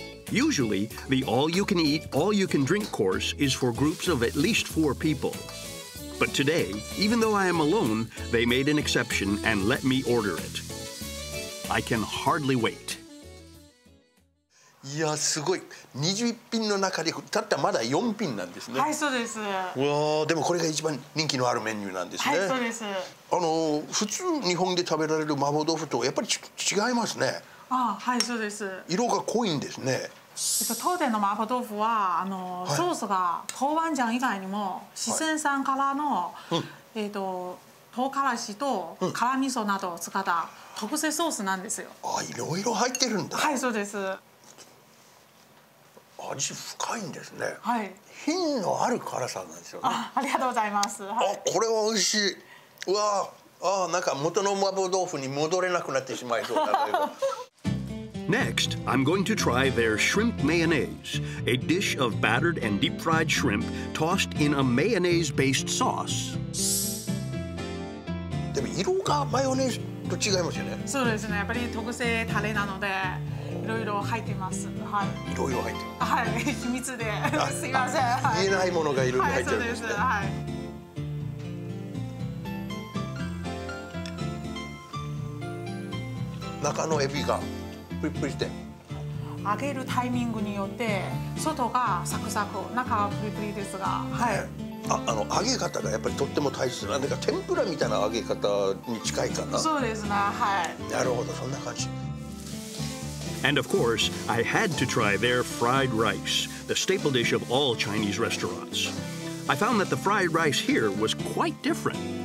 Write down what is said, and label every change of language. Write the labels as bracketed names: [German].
[English] Usually, the all-you-can-eat, all-you-can-drink course is for groups of at least 4 people. But today, even though I am alone, they made an exception and let me order it. I can hardly wait. [Japanese] いやすごい21品の中でたったまだ4品なんですね。はい、そうです。わあ、でもこれが一番人気のあるメニューなんですね。はい、そうです。普通日本で食べられる麻婆豆腐とやっぱり違いますね。ああ、はい、そうです。色が濃いんですね。当店の麻婆豆腐はソースが豆板醤以外にも四川産からの、はい、唐辛子と辛味噌などを使った特製ソースなんですよ。あ、いろいろ入ってるんだ。はい、そうです。味深いんですね。はい、品のある辛さなんですよね。ありがとうございます、はい、あ、これは美味しい。うわあ、なんか元の麻婆豆腐に戻れなくなってしまいそうだけど。 [English] Next, I'm going to try their shrimp mayonnaise, a dish of battered and deep fried shrimp tossed in a mayonnaise based sauce. [Japanese] でも色がマヨネーズと違いますよね。そうですね、やっぱり特製タレなのでいろいろ入ってます。はい。いろいろ入ってます。はい、秘密で。すいません。言えないものがいろいろ入ってるんですね。そうです。はい。中のエビがプリプリして。揚げるタイミングによって外がサクサク、中はプリプリですが、はい。揚げ方がやっぱりとっても大切な、なんか天ぷらみたいな揚げ方に近いかな。そうですね、はい。なるほど、そんな感じ。 [English] And of course, I had to try their fried rice, the staple dish of all Chinese restaurants. I found that the fried rice here was quite different.